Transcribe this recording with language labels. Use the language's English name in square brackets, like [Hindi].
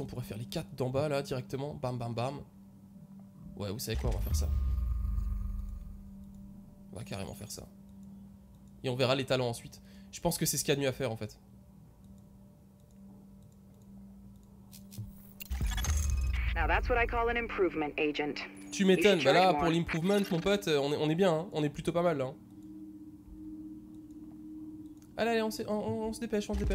[French] On pourrait faire les 4 d'en bas là directement. Bam, bam, bam. Ouais, vous savez quoi, on va faire ça. On va carrément faire ça. Et on verra les talents ensuite. Je pense que c'est ce qu'il y a de mieux à faire en fait. [English] Now that's what I call an improvement agent. [French] Tu m'étonnes, bah là pour l'improvement, mon pote, on est bien, hein. On est plutôt pas mal là. Allez, on se dépêche.